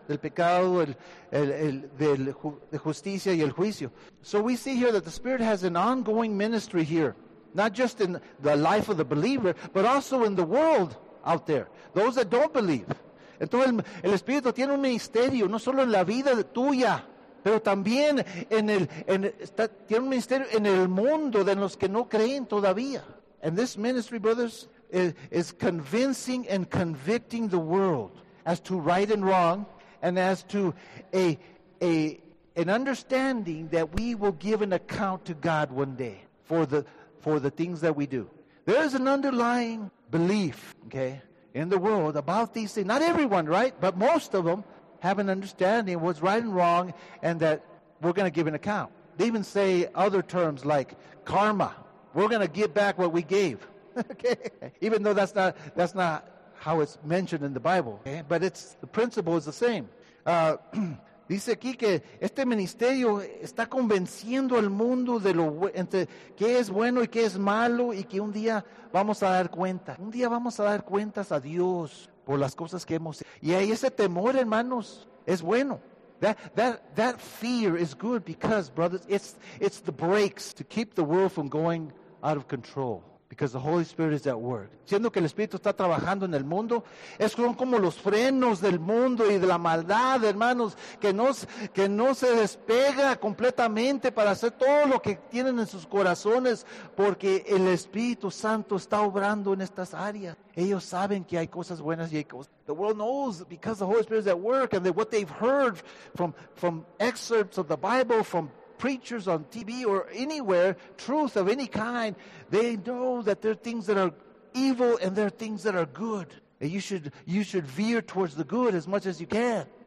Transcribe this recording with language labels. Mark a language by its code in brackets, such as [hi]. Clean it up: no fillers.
[es] Del pecado, de justicia y el juicio. [en] So we see here that the Spirit has an ongoing ministry here, not just in the life of the believer, but also in the world out there, those that don't believe. [es] Entonces el Espíritu tiene un ministerio, no solo en la vida tuya, pero también tiene un ministerio en el mundo de los que no creen todavía. [en] And this ministry, brothers, is convincing and convicting the world as to right and wrong, and as to an understanding that we will give an account to God one day for the things that we do. There is an underlying belief, okay, in the world about these things. Not everyone, right? But most of them have an understanding of what's right and wrong, and that we're going to give an account. They even say other terms like karma. We're going to give back what we gave. Okay, even though that's not how it's mentioned in the Bible, okay? But it's the principle is the same. [es] Dice aquí que este ministerio está convenciendo al mundo de lo entre qué es bueno y qué es malo, y que un día vamos a dar cuenta. Un día vamos a dar cuentas a Dios por las cosas que hemos hecho. Y ahí ese temor, hermanos, es bueno. [en] That fear is good because, brothers, it's the brakes to keep the world from going out of control. Because the Holy Spirit is at work. [es] Siendo que el Espíritu está trabajando en el mundo, es como los frenos del mundo y de la maldad, hermanos, que no se despega completamente para hacer todo lo que tienen en sus corazones, porque el Espíritu Santo está obrando en estas áreas. Ellos saben que hay cosas buenas y hay cosas. [en] The world knows because the Holy Spirit is at work, and what they've heard from excerpts of the Bible, from preachers on TV or anywhere, truth of any kind, they know that there are things that are evil and there are things that are good. And you should veer towards the good as much as you can.